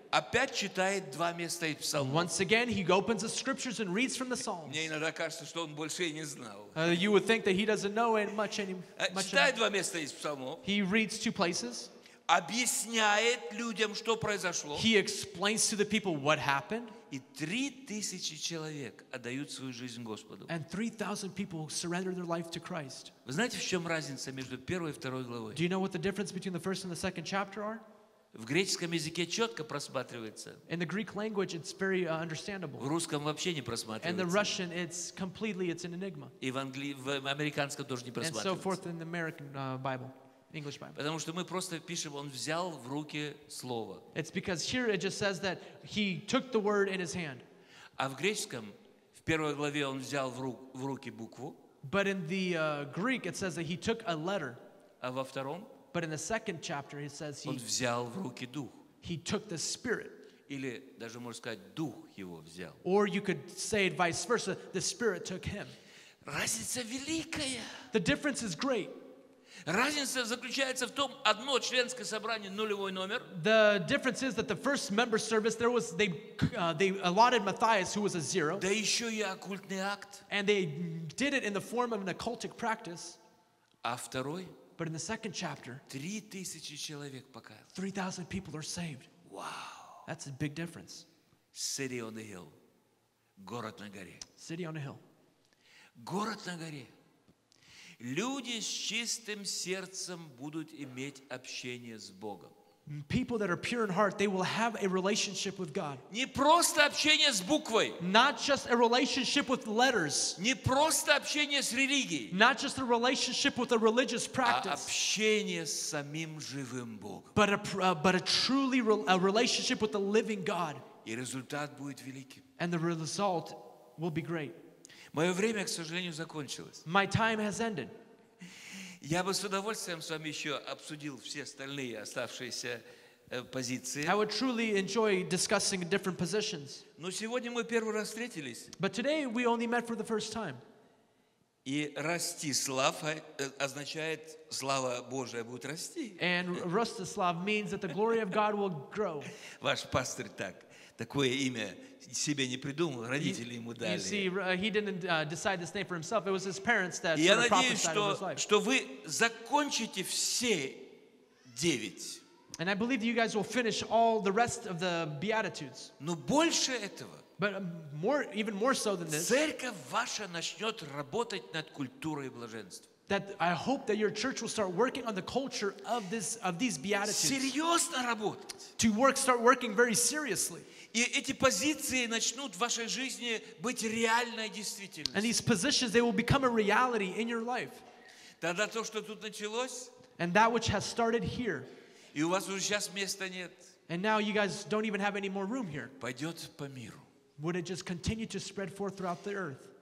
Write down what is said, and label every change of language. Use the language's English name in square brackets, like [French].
[Russian] Опять читает два места из Псалмов. [English] Once again, he opens the scriptures and reads from the Psalms. [Russian] Мне иногда кажется, что он больше и не знал. [English] You would think that he doesn't know much anymore. [Russian] Читает два места из Псалмов. [English] He reads two places. [Russian] Объясняет людям, что произошло. [English] He explains to the people what happened. [Russian] И 3000 человек отдают свою жизнь Господу. [English] And 3000 people surrender their life to Christ. [Russian] Вы знаете, в чем разница между первой и второй главой? [English] Do you know what the difference between the first and the second chapter are? [Russian] В греческом языке четко просматривается. [English] In the Greek language, it's very understandable. [Russian] В русском вообще не просматривается. [English] And the Russian, it's an enigma. [Russian] И в американском тоже не просматривается. [English] And so forth in the American Bible. [Russian] Потому что мы просто пишем, он взял в руки слово. [English] It's because here it just says that he took the word in his hand. [Russian] А в греческом в первой главе он взял в руки букву. [English] But in the Greek it says that he took a letter. [Russian] А во втором? [English] But in the second chapter it says [Russian] он взял в руки дух. [English] He took the spirit. [Russian] Или даже можно сказать, дух его взял. [English] Or you could say it vice versa, the spirit took him. [Russian] Разница великая. [English] The difference is great. [Russian] Разница заключается в том, одно членское собрание нулевой номер. [English] The difference is that the first member service there was they allotted Matthias, who was a zero. [Russian] Да еще и оккультный акт. [English] And they did it in the form of an occultic practice. [Russian] А второй? [English] But in the second chapter, [Russian] 3000 человек покаялось. [English] 3000 people are saved. Wow. That's a big difference. City on the hill. [Russian] Город на горе. [English] City on a hill. [Russian] Город на горе. Люди с чистым сердцем будут иметь общение с Богом. [English] People that are pure in heart, they will have a relationship with God. [Russian] Не просто общение с буквой. [English] Not just a relationship with letters. [Russian] Не просто общение с религией. [English] Not just a relationship with a religious practice. [Russian] А общение с самим живым Богом. [English] But a truly relationship with the living God. [Russian] И результат будет великим. [English] And the result will be great. [Russian] Мое время, к сожалению, закончилось. [English] My time has ended. [Russian] Я бы с удовольствием с вами еще обсудил все остальные оставшиеся позиции. [English] I would truly enjoy discussing different positions. [Russian] Но сегодня мы первый раз встретились. [English] But today we only met for the first time. [Russian] И расти слава означает слава Божия будет расти. [English] And Rostislav means that the glory of God will grow. [Russian] Ваш пастор такое имя себе не придумал, родители ему дали. [English] You see, he didn't decide this name for himself. It was his parents that sort of prophesied in his life. [Russian] Я надеюсь, что вы закончите все девять. [English] And I believe that you guys will finish all the rest of the Beatitudes. [Russian] Но больше этого. [English] But more, even more so than this. [Russian] Церковь ваша начнет работать над культурой блаженства. [English] That I hope that your church will start working on the culture of this of these Beatitudes. [Russian] Серьезно работать. [English] To work, start working very seriously. [Russian] И эти позиции начнут в вашей жизни быть реальной действительностью. [English] And these positions, they will become a reality in your life. [Russian] Тогда то, что тут началось, [English] and that which has started here, [Russian] и у вас уже сейчас места нет, [English] and now you guys don't even have any more room here, [Russian] пойдет по миру. [English] Would it just continue to spread forth throughout the earth?